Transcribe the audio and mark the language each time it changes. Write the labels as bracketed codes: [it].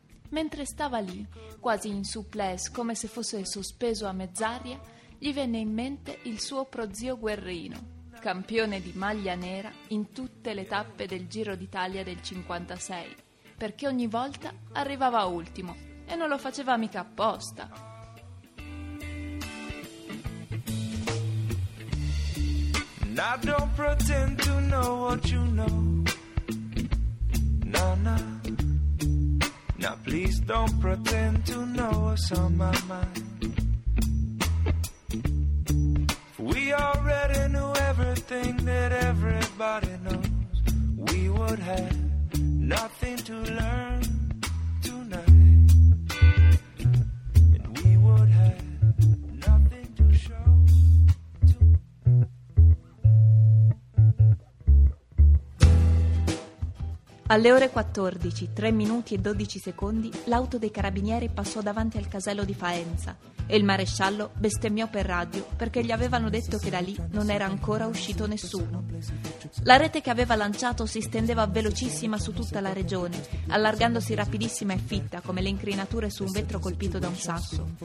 [it] Mentre stava lì, quasi in supplesse, come se fosse sospeso a mezz'aria, gli venne in mente il suo prozio Guerrino, campione di maglia nera in tutte le tappe del Giro d'Italia del 56, perché ogni volta arrivava ultimo e non lo faceva mica apposta. [en] I don't pretend to know what you know. No, no. Now please don't pretend to know what's on my mind. We already knew everything that everybody knows. We would have nothing to learn tonight. And we would have nothing to show tonight. [it] Alle ore 14, 3 minuti e 12 secondi, l'auto dei carabinieri passò davanti al casello di Faenza e il maresciallo bestemmiò per radio perché gli avevano detto che da lì non era ancora uscito nessuno. La rete che aveva lanciato si stendeva velocissima su tutta la regione, allargandosi rapidissima e fitta come le incrinature su un vetro colpito da un sasso.